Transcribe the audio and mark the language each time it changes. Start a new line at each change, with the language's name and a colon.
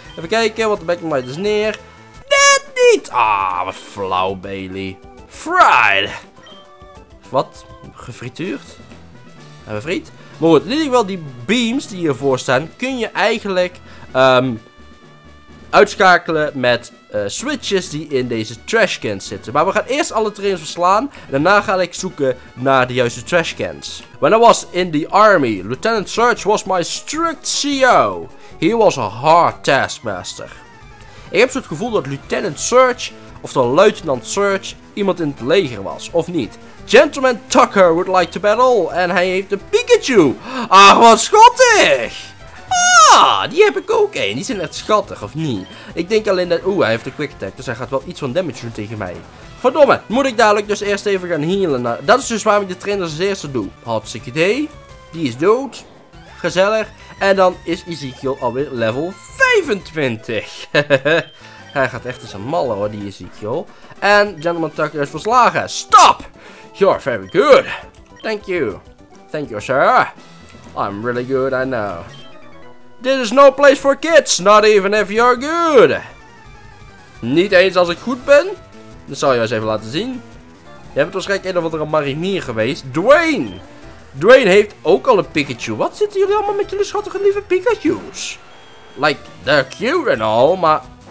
Dutch: Even kijken, want de Backmite is neer. Net niet! Ah, wat flauw, Bailey. Fried! Wat? Gefrituurd? En mijn vriend? Maar goed, in ieder geval, die beams die hiervoor staan, kun je eigenlijk uitschakelen met switches die in deze trashcans zitten. Maar we gaan eerst alle trainers verslaan. En daarna ga ik zoeken naar de juiste trashcans.
English: When I was in the army, Lieutenant Surge was my strict CO. He was a hard taskmaster.
Dutch: Ik heb zo het gevoel dat Lieutenant Surge, of dan Luitenant Surge, iemand in het leger was, of niet.
English: Gentleman Tucker would like to battle,
Dutch: en hij heeft een Pikachu. Ah, wat schattig! Ah, die heb ik ook een. Die zijn echt schattig, of niet? Ik denk alleen dat... Oeh, hij heeft een quick attack. Dus hij gaat wel iets van damage doen tegen mij. Verdomme, moet ik dadelijk dus eerst even gaan healen. Nou, dat is dus waarom ik de trainer als eerste doe. Hartstikke idee. Die is dood. Gezellig. En dan is Ezekiel alweer level 25. Hij gaat echt eens een malle hoor, die Ezekiel. En Gentleman Tucker is verslagen.
English: Stop! You're very good. Thank you. Thank you, sir. I'm really good, I know. This is no place for kids, not even if you're good.
Dutch: Niet eens als ik goed ben. Dat zal je eens even laten zien. Je hebt waarschijnlijk een of andere marinier geweest. Dwayne. Dwayne heeft ook al een Pikachu. Wat zitten jullie allemaal met jullie schattige lieve Pikachu's?
English: Like, they're cute and all,
Dutch: maar...